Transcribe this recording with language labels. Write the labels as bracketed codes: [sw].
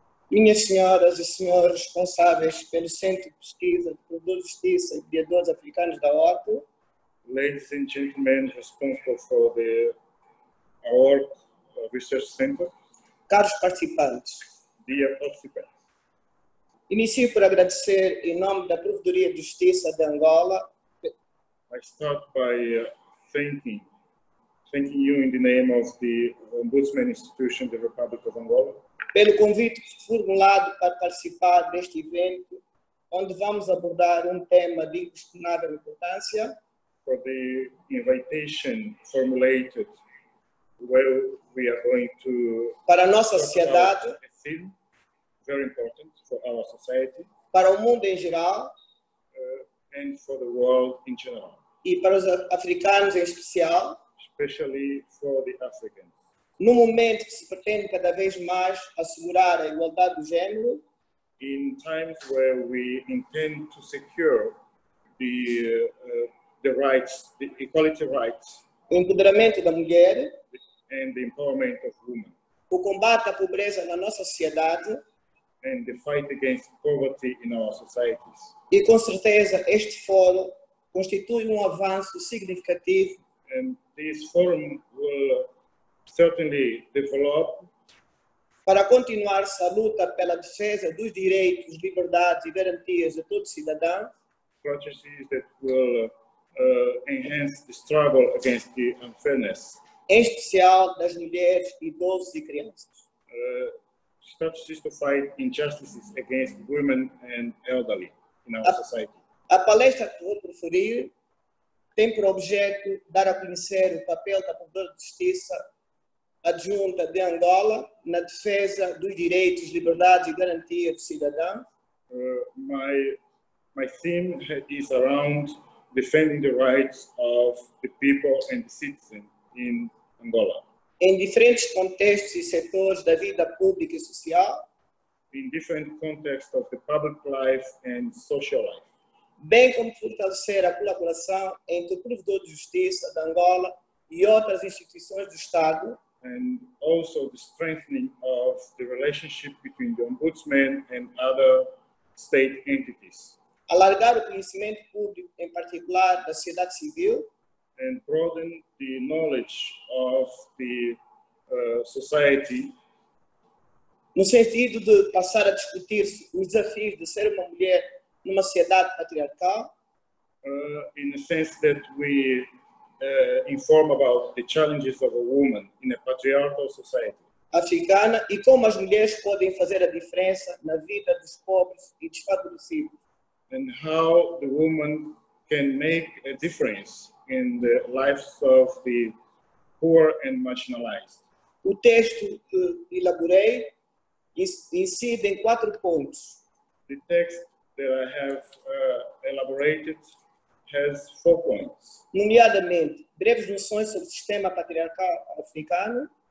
[pt] Minhas senhoras e senhores responsáveis pelo Centro de Pesquisa de Provedores de Justiça e Mediadores Africanos da AOMA-AORC. [en] Ladies and gentlemen, responsible for the AOMA-AORC Research Center. [pt] Caros participantes. [en] Dear participants. [pt] Inicio por agradecer em nome da Provedoria de Justiça de Angola. [en] I start by thanking you in the name of the Ombudsman Institution, the Republic of Angola. [pt] Pelo convite formulado para participar deste evento, onde vamos abordar tema de extraordinária importância. [en] For the invitation formulated, where we are going to. [pt] Para a nossa sociedade. [en] A theme, very important for our society. [pt] Para o mundo em geral. [en] And for the world in general. [pt] E para os africanos em especial. [en] Especially for the Africans. [pt] No momento que se pretende cada vez mais assegurar a igualdade do género, [en] in times where we intend to secure the rights, the equality rights, [pt] o empoderamento da mulher, [en] and the empowerment of women, [pt] o combate à pobreza na nossa sociedade, [en] and the fight against poverty in our societies, [pt] e com certeza este fórum constitui avanço significativo, [en] and this forum will certainly develop [pt] para continuar a luta pela defesa dos direitos, liberdades e garantias de todo cidadão. [en] Processes that will enhance the struggle against the unfairness, [pt] em especial das mulheres, idosos e crianças. [en] Strategies to fight injustices against women and elderly in our society. [pt] A palestra que vou proferir tem por objeto dar a conhecer o papel da Provedora de Justiça Adjunta de Angola na defesa dos direitos, liberdades e garantias do cidadão. [en] My theme is around defending the rights of the people and the citizens in Angola. [pt] Em diferentes contextos e setores da vida pública e social. [en] In different contexts of the public life and social life. [pt] Bem como fortalecer a colaboração entre o Provedor de Justiça de Angola e outras instituições do Estado. [en] And also the strengthening of the relationship between the Ombudsman and other state entities. [pt] Alargar o conhecimento público, em particular da sociedade civil. [en] And broaden the knowledge of the society. [pt] No sentido de passar a discutir os desafios de ser uma mulher numa sociedade patriarcal. [en] In the sense that we inform about the challenges of a woman in a patriarchal society. [pt] Africana, e como as mulheres podem fazer a diferença na vida dos pobres e desfavorecidos. [en] And how the woman can make a difference in the lives of the poor and marginalized. [pt] O texto que elaborei incide em 4 pontos. [en] The text that I have elaborated has 4 points. [pt] Nomeadamente, breves noções sobre o sistema patriarcal africano.